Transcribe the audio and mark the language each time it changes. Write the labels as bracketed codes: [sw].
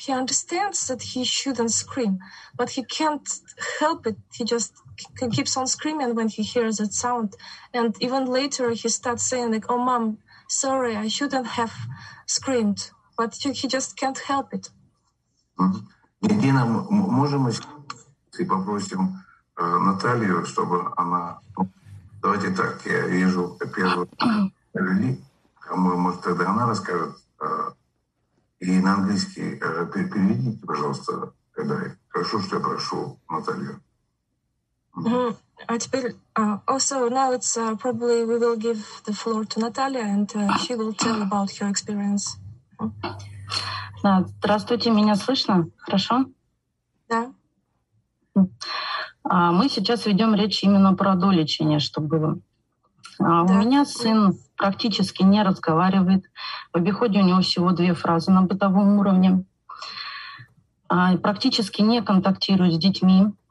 [en] He understands that he shouldn't scream, but he can't help it. He just keeps on screaming when he hears that sound. And even later, he starts saying like, "Oh, mom, sorry, I shouldn't have screamed," but he just can't help it. [ru] Дина, можем мы попросим Наталью, чтобы она. Давайте так. Я вижу первую. Может, тогда она расскажет. И на английский переведите, пожалуйста, когда я. Хорошо, что я прошу, Наталья. А теперь, [en] also now it's probably we will give the floor to Natalia and she will tell about her experience. [ru] Здравствуйте, меня слышно? Хорошо? Да. Мы сейчас ведем речь именно про долечение, что было. У меня сын практически не разговаривает. В обиходе у него всего две фразы на бытовом уровне. Практически не контактирует с детьми.